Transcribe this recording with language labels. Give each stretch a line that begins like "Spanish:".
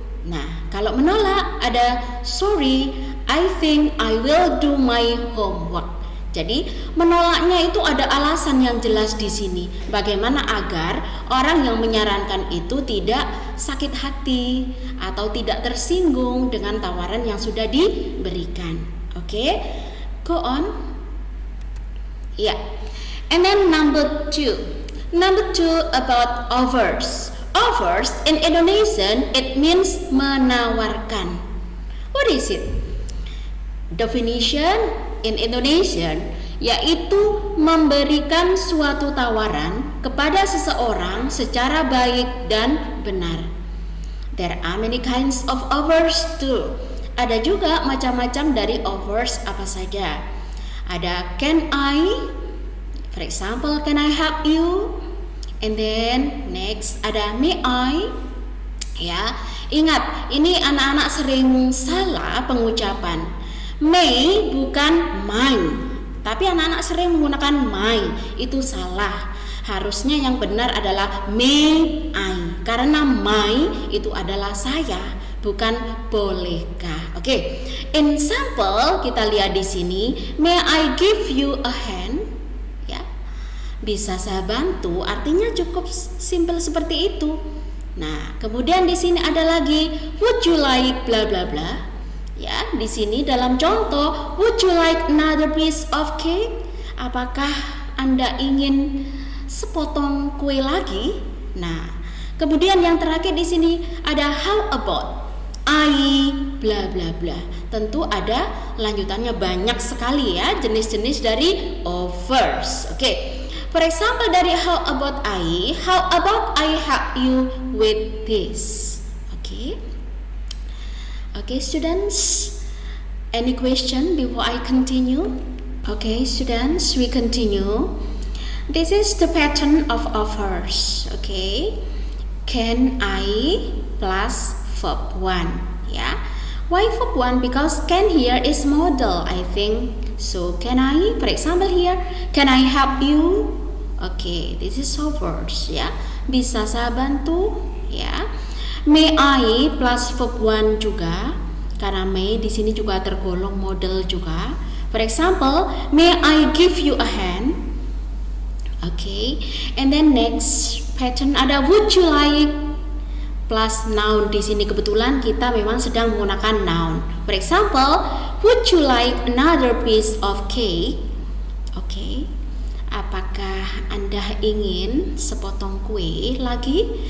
Indonesian: Nah, kalau menolak ada
English: sorry, I think I will do my homework.
Indonesian: Jadi, menolaknya itu ada alasan yang jelas di sini. Bagaimana agar orang yang menyarankan itu tidak sakit hati atau tidak tersinggung dengan tawaran yang sudah diberikan.
English: Oke, okay? Go on. Ya, yeah. And then number two about offers. Offers in Indonesian, it means menawarkan. What is it? Definition in Indonesian,
Indonesian: yaitu memberikan suatu tawaran kepada seseorang secara baik dan benar.
English: There are many kinds of offers too.
Indonesian: Ada juga macam-macam dari offers apa saja. Ada
English: can I, for example, can I help you? And then next
Indonesian: ada
English: may I.
Indonesian: Ya, ingat ini anak-anak sering salah pengucapan. May bukan my, tapi anak-anak sering menggunakan my, itu salah. Harusnya yang benar adalah may I, karena my itu adalah saya, bukan bolehkah. Oke, okay.
English: Example
Indonesian: kita lihat di sini,
English: may I give you a hand?
Indonesian: Ya, bisa saya bantu, artinya cukup simple seperti itu. Nah, kemudian di sini ada lagi,
English: would you like bla bla bla?
Indonesian: Ya, di sini dalam contoh,
English: would you like another piece of cake?
Indonesian: Apakah Anda ingin sepotong kue lagi? Nah, kemudian yang terakhir di sini ada
English: how about, I bla bla bla.
Indonesian: Tentu ada lanjutannya banyak sekali ya, jenis-jenis dari offers. Oke.
English: For example
Indonesian: dari
English: how about I, how about I help you with this. Oke. Okay, students, any question before I continue? Okay, students, we continue. This is the pattern of offers. Okay, can I plus verb 1. Yeah, why verb 1? Because can here is modal, I think. So can I, for example here, can I help you? Okay, this is offers. Yeah,
Indonesian: bisa saya bantu?
English: Yeah, may I plus verb 1
Indonesian: juga. Karena may di sini juga tergolong modal juga.
English: For example, may I give you a hand? Okay. And then next pattern
Indonesian: ada
English: would you like plus noun.
Indonesian: Di sini kebetulan kita memang sedang menggunakan
English: noun. For example, would you like another piece of cake? Okay.
Indonesian: Apakah Anda ingin sepotong kue lagi?